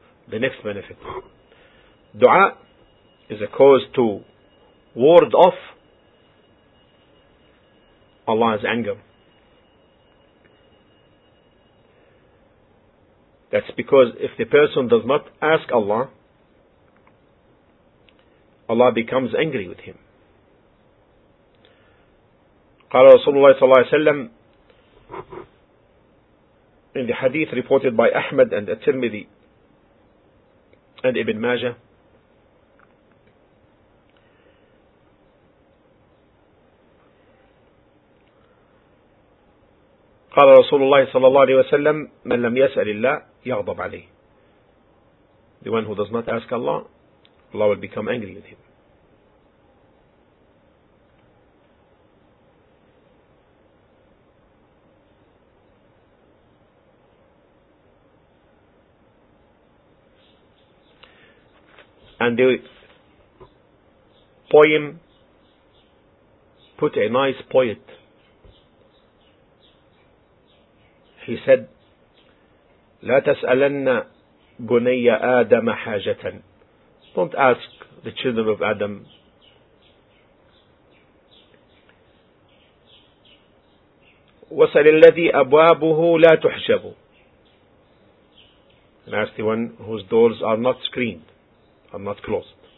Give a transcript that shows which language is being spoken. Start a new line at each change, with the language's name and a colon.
English: The next benefit. Dua is a cause to ward off Allah's anger. That's because if the person does not ask Allah, Allah becomes angry with him.
Arabic: قال رسول الله صلى الله عليه وسلم
English: in the hadith reported by Ahmad and At-Tirmidhi and Ibn Majah,
Arabic: قال رسول الله صلى الله عليه وسلم من لم يسأل الله يغضب عليه.
English: The one who does not ask Allah, Allah will become angry with him. And the poem put a nice poet. He said,
Arabic: لا تسألن بني آدم حاجة.
English: Don't ask the children of Adam
Arabic: وسأل الذي أبوابه لا تحجب.
English: And ask the one whose doors are not screened, are not closed.